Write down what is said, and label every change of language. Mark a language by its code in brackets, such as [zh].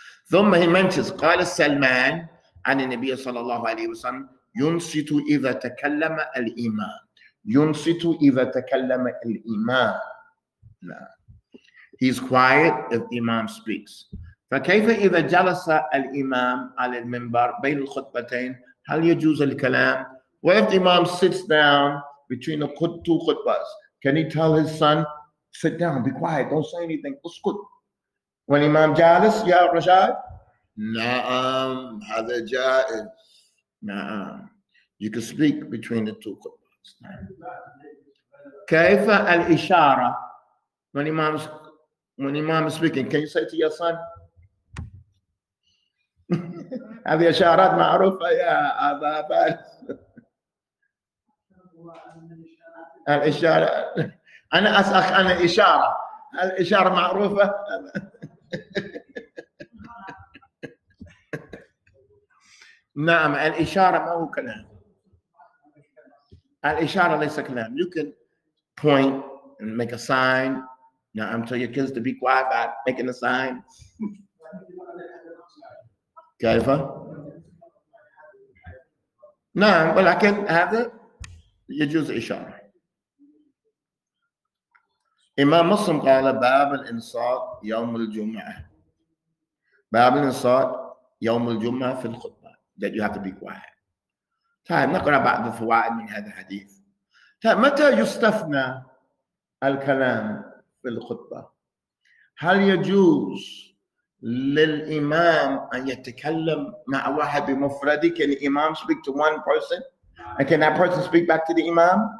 [ar] ثم [en] he mentions [ar] قال سلمان عن النبي صلى الله عليه وسلم ينصت إذا تكلم الإمام. ينصت إذا تكلم الإمام. [en] He's quiet if the Imam speaks. [ar] فكيف إذا جلس الإمام على المنبر بين الخطبتين هل يجوز الكلام [en] What if the imam sits down between the two khutbas? Can he tell his son, sit down, be quiet, don't say anything, uskut? When Imam [ar] Jalis, Ya Rashad? Na'am, hadha ja'iz. Na'am. [en] You can speak between the two khutbas. [ar] Kaifa al-ishara? [en] When imam is speaking, can you say to your son? [ar] هذه اشارات معروفه يا ابا عباس. الاشاره انا اسالك عن الاشاره، الاشاره معروفه. نعم الاشاره ما هو كلام. الاشاره ليس كلام. [en] You can point and make a sign. Now I'm telling your kids to be quiet by making a sign. [ar] كيف؟ نعم ولكن هذا يجوز إشارة. إمام مسلم قال باب الإنصات يوم الجمعة. باب الإنصات يوم الجمعة في الخطبة. [en] That you have to be quiet. [ar] طيب نقرأ بعض الفوائد من هذا الحديث. طيب متى يستثنى الكلام في الخطبة؟ هل يجوز للإمام أن يتكلم مع واحد بمفرد؟ [en] Can the imam speak to one person? And can that person speak back to the imam?